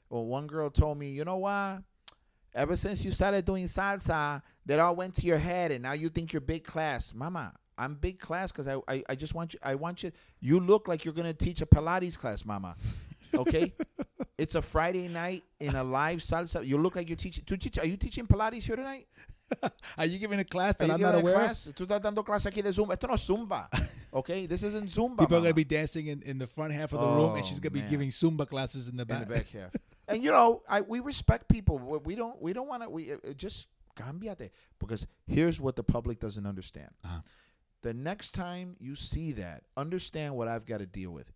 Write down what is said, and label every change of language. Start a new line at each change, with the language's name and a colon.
English: Well, one girl told me, you know what? Ever since you started doing salsa, that all went to your head, and now you think you're big class. Mama, I'm big class because I just want you. I want you. You look like you're going to teach a Pilates class, mama. Okay? It's a Friday night in a live salsa. You look like you're teaching. Are you teaching Pilates here tonight? Are you giving a class that I'm not aware of?
Spanish: Tú estás dando clase aquí de Zumba. Esto no es Zumba.
English: Okay? This isn't Zumba. People are going to be dancing in the front half of the room, and she's going to be giving Zumba classes in the back. In the back half. And, you know, we respect people. We don't want to just
Spanish: cambiate.
English: Because here's what the public doesn't understand. Uh-huh. The next time you see that, understand what I've got to deal with.